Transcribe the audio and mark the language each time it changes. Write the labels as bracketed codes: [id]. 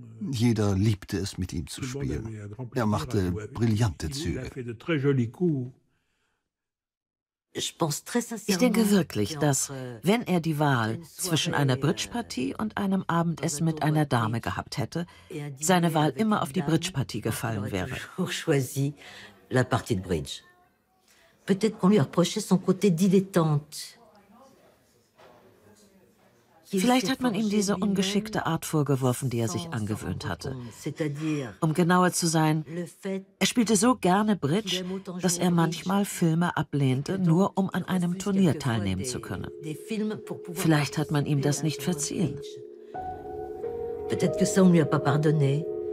[de] Jeder liebte es, mit ihm zu spielen. Er machte brillante Züge. Ich denke wirklich, dass, wenn er die Wahl zwischen einer Bridge-Partie und einem Abendessen mit einer Dame gehabt hätte, seine Wahl immer auf die Bridge-Partie gefallen wäre. [fr] Peut-être qu'on lui reprochait son côté dilettante. [de] Vielleicht hat man ihm diese ungeschickte Art vorgeworfen, die er sich angewöhnt hatte. Um genauer zu sein, er spielte so gerne Bridge, dass er manchmal Filme ablehnte, nur um an einem Turnier teilnehmen zu können. Vielleicht hat man ihm das nicht verziehen. [fr] Peut-être que ça on lui a pas pardonné.